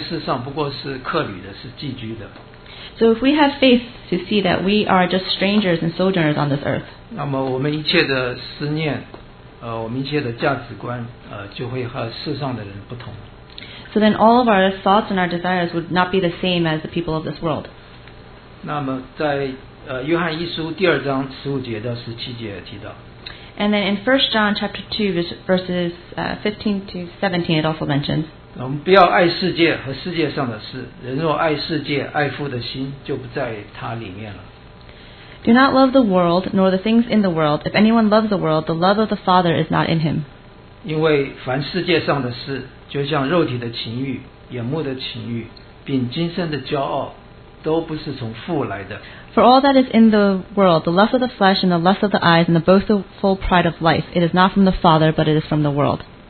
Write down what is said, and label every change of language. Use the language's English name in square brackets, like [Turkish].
[Chinese] 如果我们有如此的信心，看见这些，我们在这世上不过是客旅的，是寄居的。 [English] So if we have faith to see that we are just strangers and sojourners on this earth, [Chinese] 那么我们一切的思念，我们一切的价值观，就会和世上的人不同。 [English] So then all of our thoughts and our desires would not be the same as the people of this world. [Chinese] 那么在约翰一书第二章15节到17节也提到。 [English] And then in 1 John chapter 2 verses 15 to 17 it also mentions. [Chinese] 我们不要爱世界和世界上的事，人若爱世界，爱父的心就不在他里面了。 [English] Do not love the world nor the things in the world. If anyone loves the world, the love of the Father is not in him. [Chinese] 因为凡世界上的事 就像肉体的情欲、眼目的情欲、并今生的骄傲，都不是从父来的。 [English] For all that is in the world, the lust of the flesh and the lust of the eyes and the boastful pride of life, it is not from the Father, but it is from the world.